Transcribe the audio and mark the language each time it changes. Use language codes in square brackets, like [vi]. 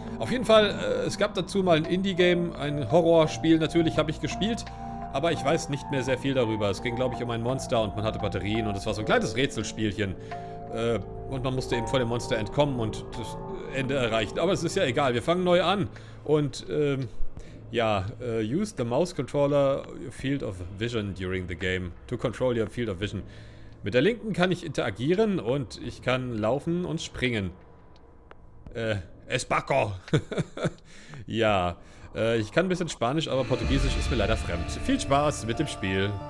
[de] Auf jeden Fall, es gab dazu mal ein Indie-Game, ein Horrorspiel, natürlich habe ich gespielt. Aber ich weiß nicht mehr sehr viel darüber. Es ging, glaube ich, um ein Monster und man hatte Batterien und es war so ein kleines Rätselspielchen. Und man musste eben vor dem Monster entkommen und das Ende erreichen. Aber es ist ja egal, wir fangen neu an. [en] Und use the mouse controller field of vision during the game to control your field of vision. [de] Mit der linken kann ich interagieren und ich kann laufen und springen. Espaco! Ja. Ich kann ein bisschen Spanisch, aber Portugiesisch ist mir leider fremd. Viel Spaß mit dem Spiel.